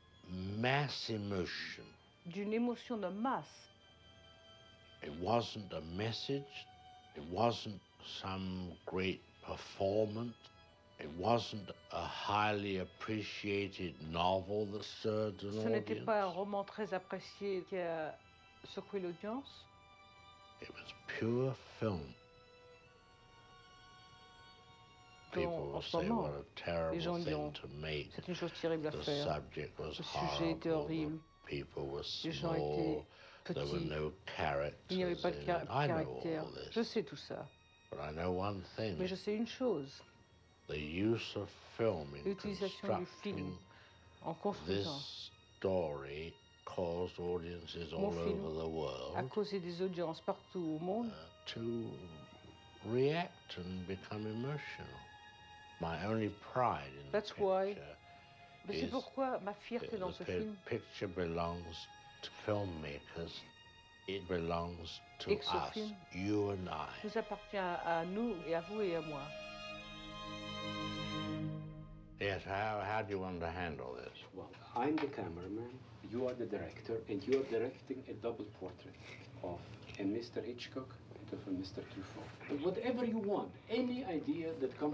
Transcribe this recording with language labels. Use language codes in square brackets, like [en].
[en] mass emotion. [fr] D'une émotion de masse. [en] It wasn't a message. It wasn't some great performance. It wasn't a highly appreciated novel that stirred an audience. [fr] Ce n'était pas un roman très apprécié qui a secoué l'audience. [en] It was pure film. People will say what a terrible thing to make. [fr] C'est une chose terrible à faire. [en] The subject was horrible. People were small. There were no characters. [fr] Il n'y avait pas de caractère. Je sais tout ça. [en] But I know one thing. [fr] Mais je sais une chose. [en] The use of film in constructing this story caused audiences all over the world [fr] a causé des audiences partout au monde. [en] To react and become emotional. My only pride in that's the picture why. [fr] Mais c'est pourquoi ma fierté dans ce film. [en] The picture belongs to filmmakers. It belongs to us, you and I. [fr] Nous appartient à nous et à vous et à moi. [en] Yes, how do you want to handle this? Well, I'm the cameraman, you are the director, and you are directing a double portrait of a Mr. Hitchcock and of a Mr. Truffaut. But whatever you want, any idea that comes...